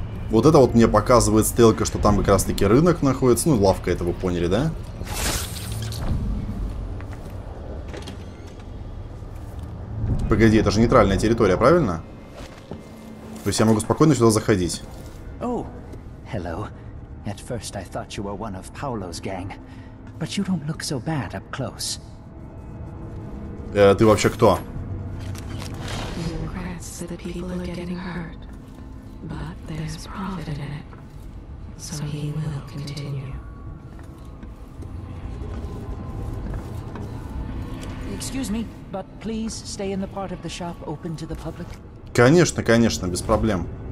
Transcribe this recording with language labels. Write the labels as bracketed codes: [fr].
[ru] Вот это вот мне показывает стрелка, что там как раз таки рынок находится. Ну, лавка, это вы поняли, да? Погоди, это же нейтральная территория, правильно? То есть я могу спокойно сюда заходить. [en] Oh, hello. At first I thought you were one of Paolo's gang, but you don't look so bad up close. [ru] Ты вообще кто? [en] Excuse me, but please stay in the part of the shop open to the public. [ru] Конечно, конечно, без проблем.